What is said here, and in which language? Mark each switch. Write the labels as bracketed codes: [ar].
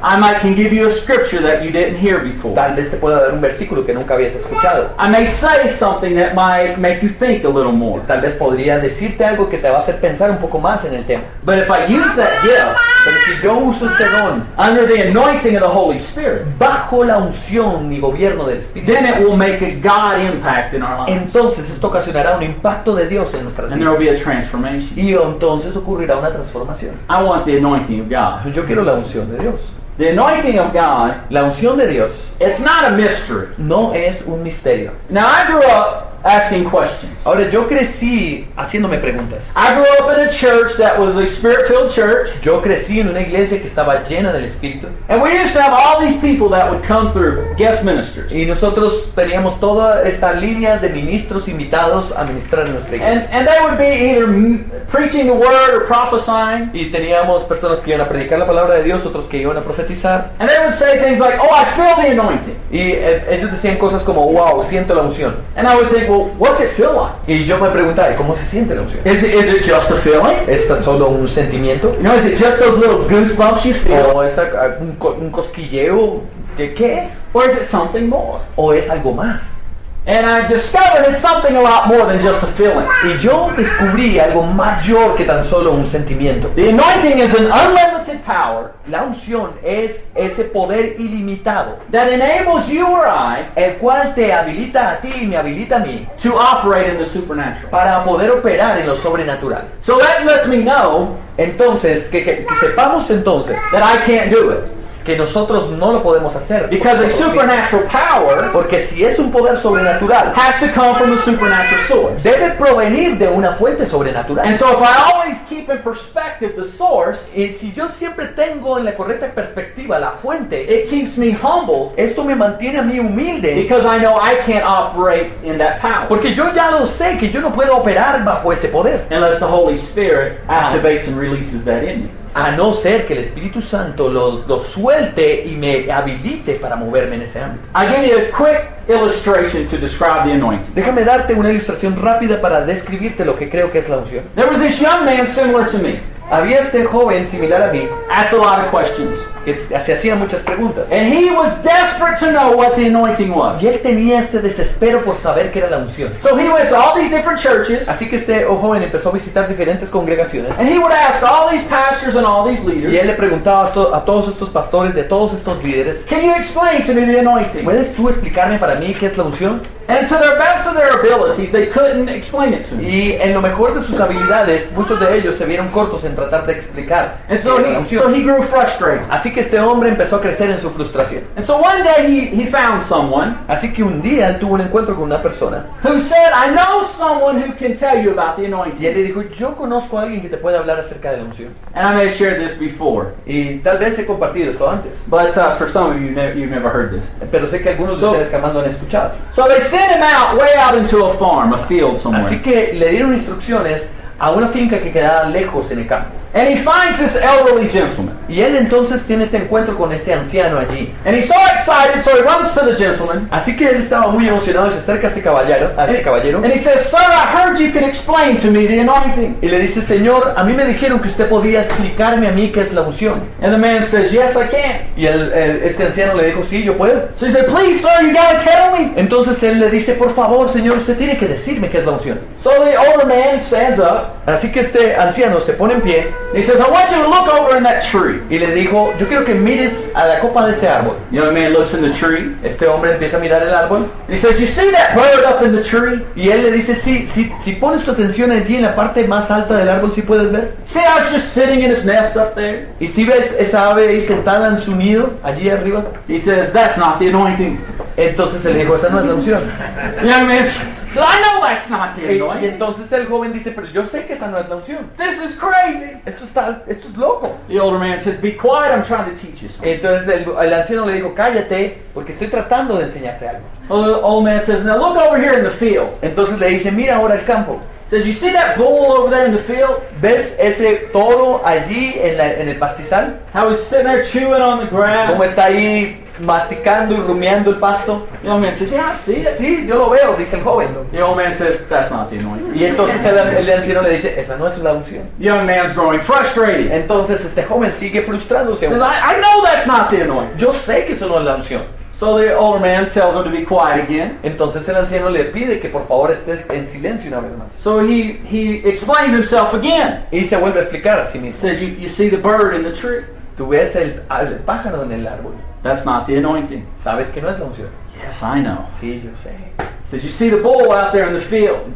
[en] I might can give you a scripture that you didn't hear before. [es] Tal vez te pueda dar un versículo que nunca habías escuchado. [en] I may say something that might make you think a little more. [es] Tal vez podría decirte algo que te va a hacer pensar un poco más en el tema. [en] But if I use that gift, [es] pero si yo uso este don, [en] under the anointing of the Holy Spirit, [es] bajo la unción y gobierno del Espíritu, [en] then it will make a God impact in our lives. [es] Entonces esto ocasionará un impacto de Dios en nuestras vidas. [en] And there will be a transformation. [es] Y entonces ocurrirá una transformación. [en] I want the anointing of God. [es] Yo quiero la unción de Dios. [en] The anointing of God, [es] la unción de Dios, [en] it's not a mystery. [es] No es un misterio. [en] Now I grew up asking questions. [es] Ahora yo crecí haciéndome preguntas. [en] I grew up in a church that was a spirit-filled church. [es] Yo crecí en una iglesia que estaba llena del Espíritu. [en] And we used to have all these people that would come through guest ministers. [es] Y nosotros teníamos toda esta línea de ministros invitados a ministrar en nuestra iglesia. [en] And they would be either preaching the word or prophesying. [es] Y teníamos personas que iban a predicar la palabra de Dios, otros que iban a profetizar. [en] And they would say things like, "Oh, I feel the anointing." [es] Y ellos decían cosas como, "Wow, siento la unción." [en] And I would think, "Well, what's it feel like?" [es] Y yo me preguntaba, ¿cómo se siente la unción? [en] Is it just a feeling? [es] ¿Es tan solo un sentimiento? [en] You know, is it just those little goosebumps you feel? [es] ¿O es un cosquilleo? ¿Qué es? [en] Or is it something more? [es] ¿O es algo más? [en] And I discovered it's something a lot more than just a feeling. [es] Y yo descubrí algo mayor que tan solo un sentimiento. [en] The anointing is an unlimited power. [es] La unción es ese poder ilimitado. [en] That enables you or I, [es] el cual te habilita a ti y me habilita a mí, [en] to operate in the supernatural. [es] Para poder operar en lo sobrenatural. [en] So that lets me know, [es] entonces que sepamos entonces, [en] that I can't do it. [es] Que nosotros no lo podemos hacer. [en] Because a supernatural power, [es] porque si es un poder sobrenatural, [en] has to come from a supernatural source. [es] Debe provenir de una fuente sobrenatural. [en] And so if I always keep in perspective the source, [es] y si yo siempre tengo en la correcta perspectiva la fuente, [en] it keeps me humble. [es] Esto me mantiene a mí humilde. [en] Because I know I can't operate in that power. [es] Porque yo ya lo sé que yo no puedo operar bajo ese poder. [en] Unless the Holy Spirit activates and releases that in me. [es] A no ser que el Espíritu Santo lo suelte y me habilite para moverme en ese ámbito. [en] I give you a quick illustration to describe the anointing. [es] Déjame darte una ilustración rápida para describirte lo que creo que es la unción. [en] There was this young man similar to me. [es] Había este joven similar a mí. [en] Asked a lot of questions. [es] Se hacía muchas preguntas. [en] And he was desperate to know what the anointing was. [es] Y él tenía este desespero por saber qué era la unción. [en] So he went to all these different churches. [es] Así que este joven empezó a visitar diferentes congregaciones. [en] And he would ask all these pastors and all these leaders. [es] Y él le preguntaba a todos estos pastores, de todos estos líderes. [en] Can you explain to me the anointing? [es] ¿Puedes tú explicarme para mí qué es la unción? [en] And to their best of their abilities, they couldn't explain it to me. [es] Y en lo mejor de sus habilidades, muchos de ellos se vieron cortos en tratar de explicar. [en] And so he grew frustrated. [es] Así que este hombre empezó a crecer en su frustración. [en] And so one day he found someone. [es] Así que un día él tuvo un encuentro con una persona. [en] Who said, "I know someone who can tell you about the anointing." [es] Y él le dijo, "Yo conozco a alguien que te puede hablar acerca de la unción." [en] And I may have shared this before. [es] Y tal vez he compartido esto antes. [en] But for some of you, you've never heard this. [es] Pero sé que algunos de ustedes jamás lo han escuchado. [en] So they sent him out way out into a farm, a field somewhere. [es] Así que le dieron instrucciones a una finca que quedaba lejos en el campo. [en] And he finds this elderly gentleman. [es] Y él entonces tiene este encuentro con este anciano allí. [en] And he's so excited, so he runs to the gentleman. [es] Así que él estaba muy emocionado y se acerca a este caballero. [en] And he says, "Sir, I heard you can explain to me the anointing." [es] Y le dice, "Señor, a mí me dijeron que usted podía explicarme a mí qué es la unción." [en] And the man says, "Yes, I can." [es] Y este anciano le dijo, "Sí, yo puedo." [en] So he said, "Please, sir, you gotta tell me." [es] Entonces él le dice, "Por favor, señor, usted tiene que decirme qué es la unción." [en] So the older man stands up. [es] Así que este anciano se pone en pie. [en] He says, "I want you to look over in that tree." [es] Y le dijo, "Yo quiero que mires a la copa de ese árbol." [en] The young man looks in the tree. [es] Este hombre empieza a mirar el árbol. [en] He says, "You see that bird up in the tree?" [es] Y él le dice, "Sí, si pones tu atención allí en la parte más alta del árbol, ¿sí puedes ver?" [en] "See how it's just sitting in its nest up there?" [es] ¿Y si ves esa ave ahí sentada en su nido allí arriba? [en] He says, "That's not the anointing." [es] Entonces él le dijo, "Esa no es la unción." [en] The young man, "So I know that's not the anointing." [es] Y entonces el joven dice, "Pero yo sé que esa no es la unción." [en] "This is crazy." [es] Esto es loco. [en] The older man says, "Be quiet, I'm trying to teach you something." [es] Entonces el anciano le dijo, "Cállate, porque estoy tratando de enseñarte algo." [en] The old man says, "Now look over here in the field." [es] Entonces le dice, "Mira ahora el campo." [en] Says, "You see that bull over there in the field?" [es] ¿Ves ese toro allí en el pastizal? [en] "How he's sitting there chewing on the grass." [es] ¿Cómo está ahí masticando y rumiando el pasto? [en] The old man says, "Yeah, I see it." [es] "Sí, yo lo veo," dice el joven. [en] The old man says, "That's not the anointing." [es] Y entonces el anciano le dice, "Esa no es la unción." [en] The young man's growing frustrated. [es] Entonces este joven sigue frustrándose. [en] Says, I know that's not the anointing." [es] Yo sé que eso no es la unción. [en] So the older man tells him to be quiet again. [es] Entonces el anciano le pide que por favor esté en silencio una vez más. [en] So he explains himself again. [es] Y se vuelve a explicar a sí mismo. [en] Says, you see the bird in the tree?" [es] ¿Tú ves el pájaro en el árbol? [en] "That's not the anointing." [es] ¿Sabes que no es la unción? [en] "Yes, I know." [es] "Sí, yo sé." [en] "Says, you see the bull out there in the field?"